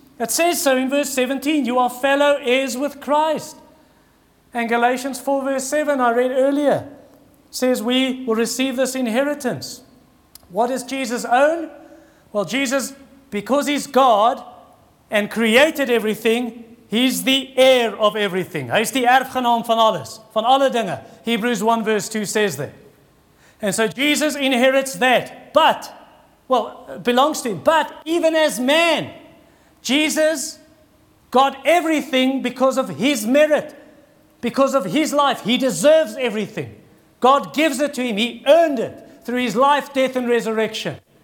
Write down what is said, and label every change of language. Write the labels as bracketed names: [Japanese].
[English] It says so in verse 17, you are fellow heirs with Christ. And Galatians 4 verse 7, I read earlier, says we will receive this inheritance. What does Jesus own? Well, Jesus, because He's God and created everything, He's the heir of everything. [Afrikaans] Hy is die erfgenaam van alles, van alle dinge. [English] Hebrews 1 verse 2 says that. And so Jesus inherits that, but, well, belongs to Him. But even as man, Jesus got everything because of His merit, because of His life. He deserves everything. God gives it to Him. He earned it through His life, death, and resurrection.